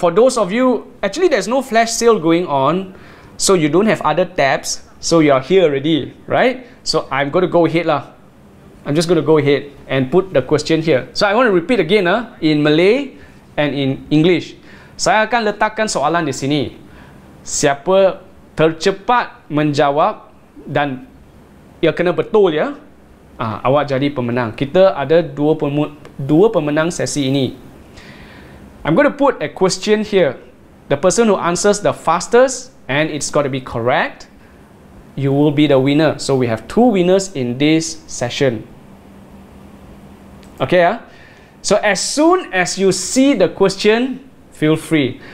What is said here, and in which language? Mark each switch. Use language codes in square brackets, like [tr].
[en] For those of you, actually there's no flash sale going on. So you don't have other tabs. So you are here already, right? So I'm going to go ahead lah. I'm just going to go ahead and put the question here. So I want to repeat again in Malay and in English. [ms] Saya akan letakkan soalan di sini. Siapa tercepat menjawab dan ia kena betul ya, awak jadi pemenang. Kita ada dua pemenang sesi ini. [en] I'm going to put a question here. The person who answers the fastest and it's got to be correct, you will be the winner. So we have 2 winners in this session. Okay, so as soon as you see the question, feel free.